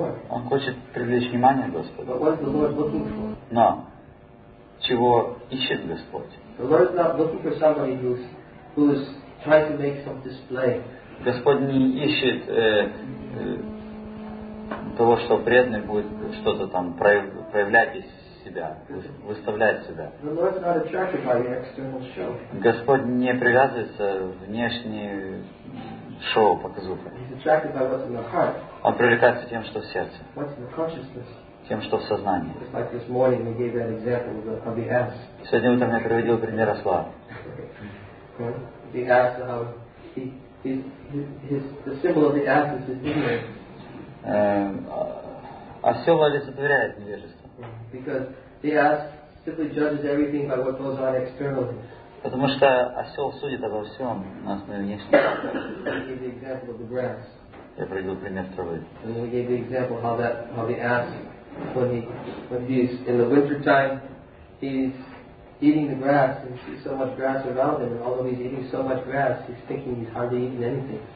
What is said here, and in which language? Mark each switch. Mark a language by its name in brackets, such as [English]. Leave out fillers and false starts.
[Russian] Он хочет привлечь внимание Господа. Но чего ищет Господь. [English] The Lord is not looking for somebody who's trying to make some display. [Russian] Господь не ищет того, что преданный будет что-то там проявлять из себя, выставлять себя. [English] The Lord is not attracted by the external show. [Russian] Господь не привязывается внешней шоу, показуха. [English] He's attracted by what's in the heart. [Russian] Он привлекается тем, что в сердце. [English] What's in the consciousness? [Russian] Тем, что в сознании. [English] Just like this morning we gave that example of the ass. [Russian] Сегодня утром я приводил пример осла. [English] The ass, the symbol of the ass is his ignorance. [Russian] Осел олицетворяет невежество. [English] Because the ass simply judges everything by what goes on externally. [Russian] Потому что осел судит обо всем на основе внешнего. [English] We gave the example of the grass. [Russian] Я приводил пример травы. [English] And we gave the example how the ass. When he's in the winter time, he's eating the grass and sees so much grass around him. And although he's eating so much grass, he's thinking he's hardly eating anything.